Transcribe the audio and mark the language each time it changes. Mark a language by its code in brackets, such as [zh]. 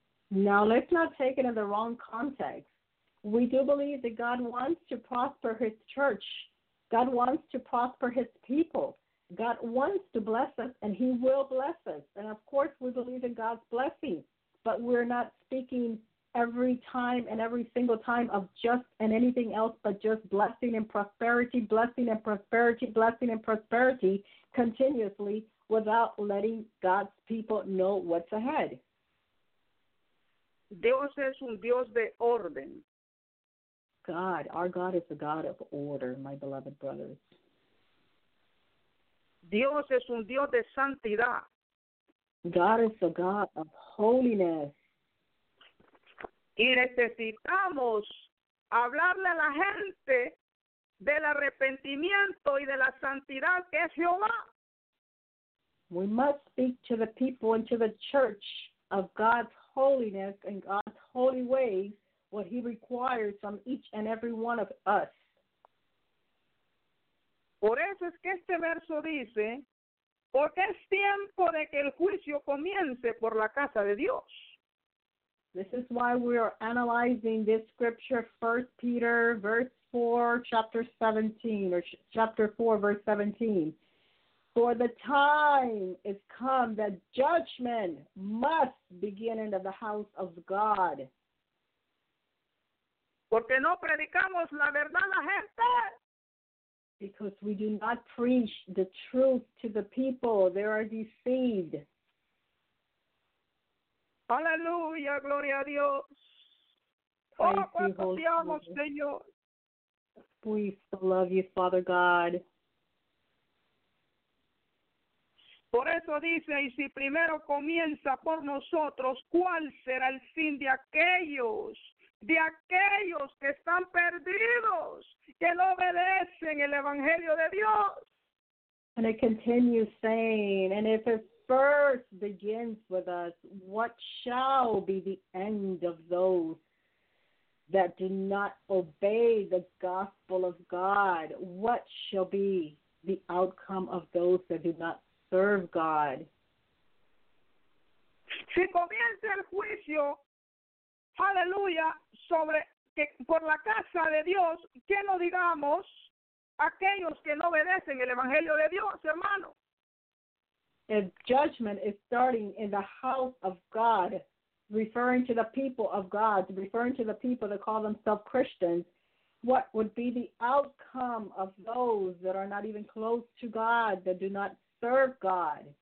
[en] Now, let's not take it in the wrong context. We do believe that God wants to prosper his church. God wants to prosper his people. God wants to bless us, and he will bless us. And, of course, we believe in God's blessing, but we're not speaking every time and every single time of just and anything else but just blessing and prosperity, blessing and prosperity, blessing and prosperity continuously without letting God's people know what's ahead. [es] Dios es un Dios de orden. [en] God, our God is a God of order, my beloved brothers. [es] Dios es un Dios de santidad. [en] God is a God of holiness. [es] Y necesitamos hablarle a la gente del arrepentimiento y de la santidad que es Jehová. [en] We must speak to the people and to the church of God's holiness and God's holy ways, what he requires from each and every one of us. [es] Por eso es que este verso dice, porque es tiempo de que el juicio comience por la casa de Dios. [en] This is why we are analyzing this scripture, 1 Peter verse 4, chapter 17, or chapter 4, verse 17. For the time is come that judgment must begin in the house of God. [es] Porque no predicamos la verdad a la gente. [en] Because we do not preach the truth to the people. They are deceived. [es] Aleluya, gloria a Dios. Oh, cuánto te amo, Señor. [en] We still love you, Father God. [es] Por eso dice, y si primero comienza por nosotros, ¿cuál será el fin de aquellos? De aquellos que están perdidos, que no obedecen el Evangelio de Dios. [en] And it continues saying, and if it first begins with us, what shall be the end of those that do not obey the gospel of God? What shall be the outcome of those that do not serve God? [es] Si comienza el juicio, aleluya, sobre que por la casa de Dios, ¿qué no digamos aquellos que no obedecen el evangelio de Dios, hermano? [en] If judgment is starting in the house of God, referring to the people of God, referring to the people that call themselves Christians, what would be the outcome of those that are not even close to God, that do not serve God?